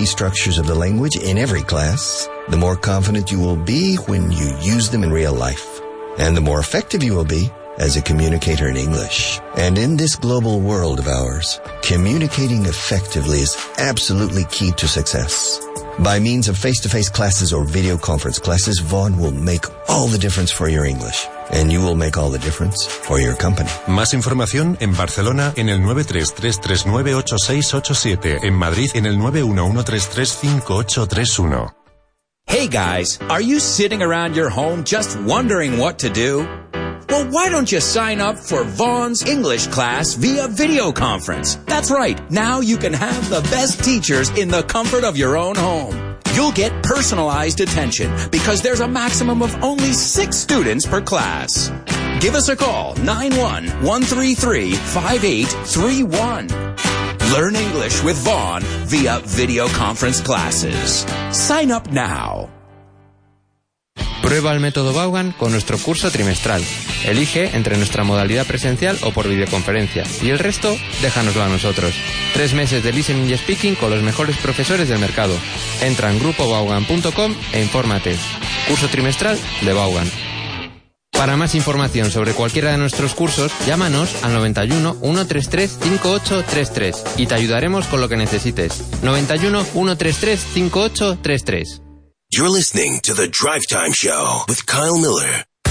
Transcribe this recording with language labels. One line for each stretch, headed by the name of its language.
English: Structures of the language in every class, the more confident you will be when you use them in real life, and the more effective you will be as a communicator in English. And in this global world of ours, communicating effectively is absolutely key to success. By means of face-to-face classes or video conference classes, Vaughn will make all the difference for your English. And you will make all the difference for your company.
Spanish: Más información en Barcelona en el 933398687. En Madrid en el 911335831.
English: Hey guys, are you sitting around your home just wondering what to do? Well, why don't you sign up for Vaughn's English class via video conference? That's right, now you can have the best teachers in the comfort of your own home. You'll get personalized attention because there's a maximum of only 6 students per class. Give us a call, 91-133-5831. Learn English with Vaughn via video conference classes. Sign up now.
Spanish: Prueba el método Vaughan con nuestro curso trimestral. Elige entre nuestra modalidad presencial o por videoconferencia. Y el resto, déjanoslo a nosotros. 3 meses de listening y speaking con los mejores profesores del mercado. Entra en grupovaughan.com e infórmate. Curso trimestral de Vaughan. Para más información sobre cualquiera de nuestros cursos, llámanos al 91-133-5833 y te ayudaremos con lo que necesites. 91-133-5833.
English: You're listening to The Drive Time Show with Kyle Miller.